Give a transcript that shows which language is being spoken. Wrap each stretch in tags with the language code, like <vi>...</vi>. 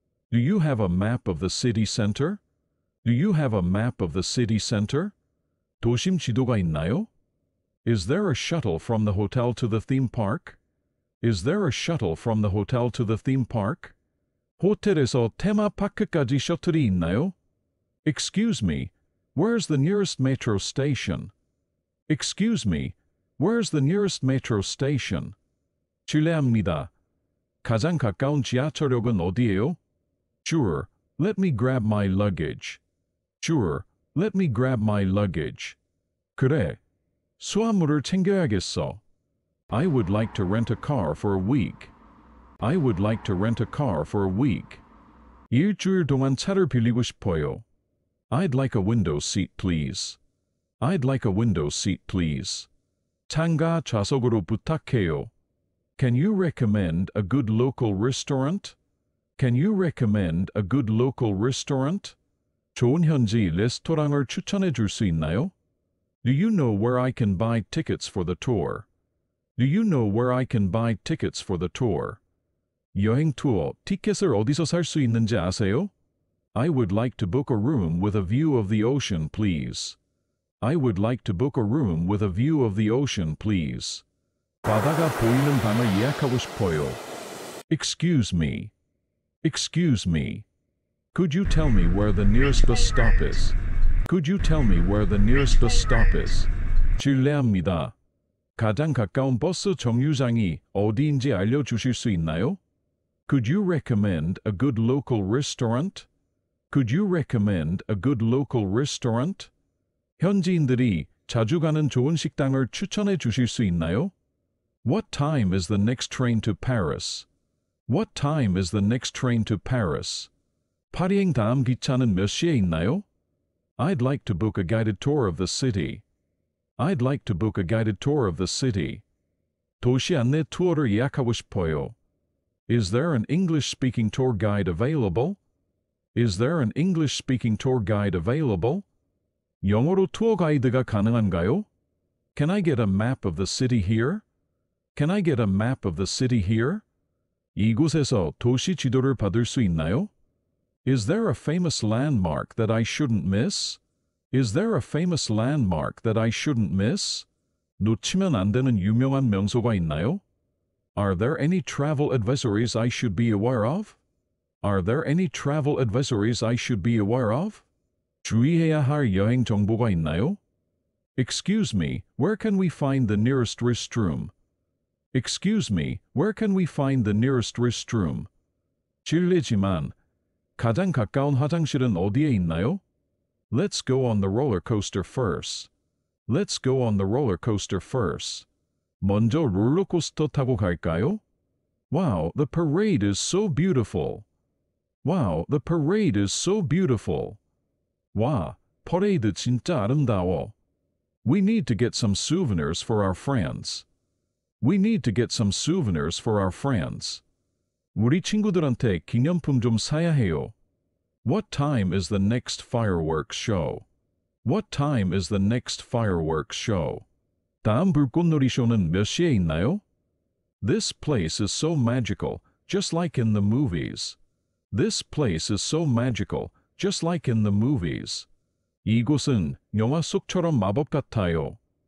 <en>Do you have a map of the city center? Do you have a map of the city center?</en> <ko>도심 지도가 있나요?</ko> <en>Is there a shuttle from the hotel to the theme park? Is there a shuttle from the hotel to the theme park?</en> <ko>호텔에서 테마파크까지 셔틀이 있나요?</ko> <en>Excuse me, where's the nearest metro station? Excuse me, where's the nearest metro station?</en> <ko>실례합니다. 가장 가까운 지하철역은 어디예요?</ko> <en>Sure, let me grab my luggage. Sure, let me grab my luggage.</en> <ko>그래, 수하물을 챙겨야겠어.</ko> <en>I would like to rent a car for a week. I would like to rent a car for a week.</en> <ko>일주일 동안 차를 빌리고 싶어요.</ko> <en>I'd like a window seat, please. I'd like a window seat, please.</en> <ko>창가 좌석으로 부탁해요.</ko> <en>Can you recommend a good local restaurant? Can you recommend a good local restaurant?</en> <ko>좋은 현지 레스토랑을 추천해 줄 수 있나요?</ko> <en>Do you know where I can buy tickets for the tour? Do you know where I can buy tickets for the tour?</en> <ko>여행 투어, 티켓을 어디서 살 수 있는지 아세요?</ko> <en>I would like to book a room with a view of the ocean, please. I would like to book a room with a view of the ocean, please.</en> <ko>바다가 보이는 방을 예약하고 싶어요.</ko> <en>Excuse me. Excuse me. Could you tell me where the nearest bus stop is? Could you tell me where the nearest bus stop is?</en> <ko>실례합니다. 가장 가까운 버스 정류장이 어디인지 알려주실 수 있나요?</ko> <en>Could you recommend a good local restaurant? Could you recommend a good local restaurant?</en> <ko>현지인들이 자주 가는 좋은 식당을 추천해 주실 수 있나요?</ko> <en>What time is the next train to Paris? What time is the next train to Paris?</en> <ko>파리행 다음 기차는 몇 시에 있나요?</ko> <en>I'd like to book a guided tour of the city. I'd like to book a guided tour of the city.</en> <ko>도시 안내 투어를 예약하고 싶어요.</ko> <en>Is there an English-speaking tour guide available? Is there an English-speaking tour guide available?</en> <ko>영어로 투어 가이드가 가능한가요?</ko> <en>Can I get a map of the city here? Can I get a map of the city here?</en> <ko>이곳에서 도시 지도를 받을 수 있나요?</ko> <en>Is there a famous landmark that I shouldn't miss? Is there a famous landmark that I shouldn't miss?</en> <ko>놓치면 안 되는 유명한 명소가 있나요?</ko> <en>Are there any travel advisories I should be aware of? Are there any travel advisories I should be aware of?</en> <ko>주의해야 할 여행 정보가 있나요?</ko> <en>Excuse me, where can we find the nearest restroom? Excuse me, where can we find the nearest restroom?</en> <ko>질리지만, 가장 가까운 화장실은 어디에 있나요?</ko> <en>Let's go on the roller coaster first. Let's go on the roller coaster first.</en> <ko>먼저 롤러코스터 타고 갈까요?</ko> <en>Wow, the parade is so beautiful. Wow, the parade is so beautiful.</en> <ko>와, 퍼레이드 진짜 아름다워.</ko> <en>We need to get some souvenirs for our friends. We need to get some souvenirs for our friends.</en> <ko>우리 친구들한테 기념품 좀 사야 해요.</ko> <en>What time is the next fireworks show? What time is the next fireworks show?</en> <ko>다음 불꽃놀이 쇼는 몇 시에 있나요?</ko> <en>This place is so magical, just like in the movies. This place is so magical, just like in the movies.</en> <ko>이곳은 영화 속처럼 마법 같아요.</ko>